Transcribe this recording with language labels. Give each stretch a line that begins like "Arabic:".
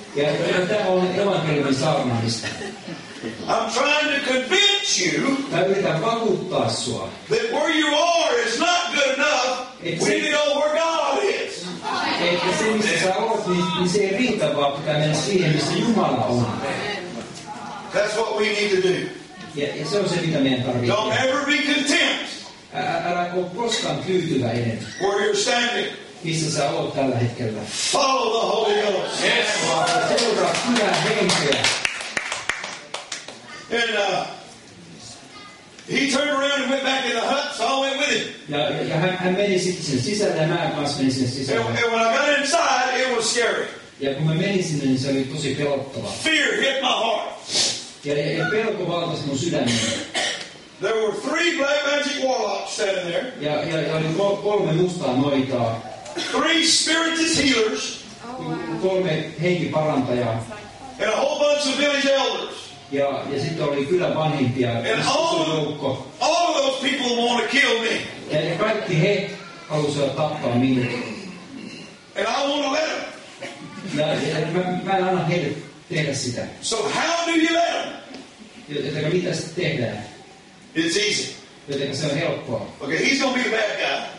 Finnish: Ja tämä on hirveän saarnaamista.
English: I'm trying to convince you.
Finnish: Mä yritän vakuuttaa sua.
English: That where you are is not good enough. It's when you know where God is.
Finnish: Että se, missä sä oot, niin se ei riitä, vaan pitää mennä siihen, missä Jumala on.
English: That's what we need to do.
Finnish: Ja se on se, mitä meidän tarvitsee.
English: Don't ever be content.
Finnish: Älä ole koskaan tyytyväinen.
English: Where you're standing.
Finnish: Missä sä oot tällä hetkellä.
English: Follow the Holy Ghost. Yes.
Finnish: Vaan seuraa pyhää henkeä.
English: And he turned around and went back in the hut, so I went with him.
Finnish: Ja hän meni sitten sisälle ja mä kanssa menin sinne sisälle.
English: And when I got inside, it was scary.
Finnish: Ja kun mä menin sinne, niin se oli tosi pelottava.
English: Fear hit my heart.
Finnish: Ja pelko valtasi mun sydämeni.
English: There were three black magic warlocks standing there.
Finnish: Ja oli kolme mustaa noitaa.
English: Three spiritist healers. Oh, wow.
Finnish: Kolme henkiparantajaa.
English: And a whole bunch of village elders.
Finnish: Ja sitten oli kylän vanhimpia.
English: All of those people want to kill me.
Finnish: Ja kaikki he halusivat tappaa minut.
English: And I want to let them.
Finnish: Ja mä en anna heille tehdä sitä.
English: So how do you let them?
Finnish: Joten mitä sitten tehdään?
English: It's easy.
Finnish: Joten se on helppoa.
English: Okay, he's going to be a bad guy.